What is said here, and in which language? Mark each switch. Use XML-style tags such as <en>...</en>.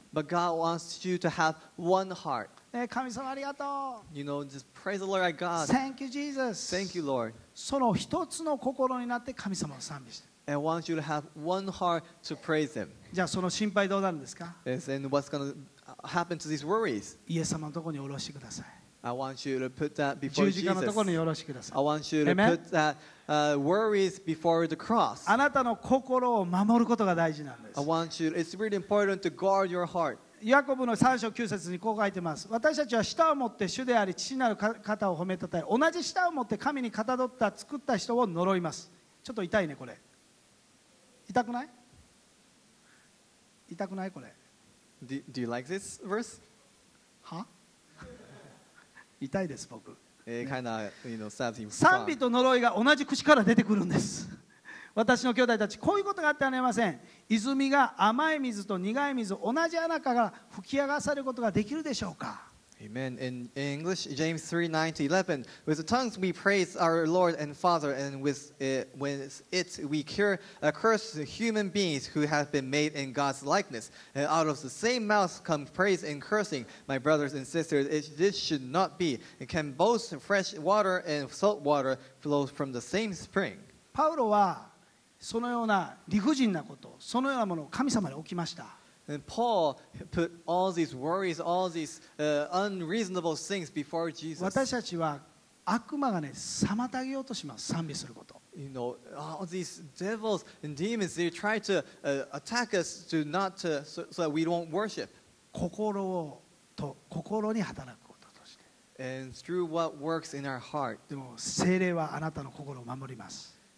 <en>But God wants you to have one heart.</en> <ja>ね、神様ありがとう。</ja> <en>You know, just praise the Lord our God. Thank you, Jesus. Thank you, Lord.</en> <ja>その一つの心になって神様を賛美して。</ja> <en>And wants you to have one heart to praise Him.</en> <ja>じゃあその心配どうなるんですか？</ja> <en>Yes, and what's going to happen to these worries?</en> <ja>イエス様のところに下ろしてください。</ja> <en>I want you to put that before Jesus.</en> <ja>十字架のところに下ろしてください。</ja> <en>I want you to put that worries before the cross.</en> <ja>あなたの心を守ることが大事なんです。</ja> <en>I want you. It's really important to guard your heart.</en> <ja>ヤコブの3章9節にこう書いてます。私たちは舌を持って主であり父なる方を褒めたたえ、同じ舌を持って神にかたどった作った人を呪います。ちょっと痛いねこれ。痛くない？痛くないこれ。</ja> <en>Do you like this verse?</en> <ja>Huh? 痛いです僕、</ja> <en>kind of, you know,</en> <ja>賛美と呪いが同じ口から出てくるんです。私の兄弟たち、こういうことがあってはなりません。泉が甘い水と苦い水、同じ穴から吹き上がされることができるでしょうか。</ja> <en>Amen. In English, James 3:9-11, With the tongues we praise our Lord and Father, and with it we cure a curse to human beings who have been made in God's likeness. And out of the same mouth come praise and cursing. My brothers and sisters, this should not be. And can both fresh water and salt water flow from the same spring?</en> <ja>パウロはそのような理不尽なこと、そのようなものを神様に置きました。</ja> <en>And Paul put all these worries, all these unreasonable things before Jesus.</en> <ja>私たちは悪魔がね、妨げようとします、賛美すること。</ja> <en>You know, all these devils and demons, they try to attack us to not to, so that we don't worship.</en> <ja>心に働くこととして。</ja> <en>And through what works in our heart.</en> <ja>でも聖霊はあなたの心を守ります。</ja>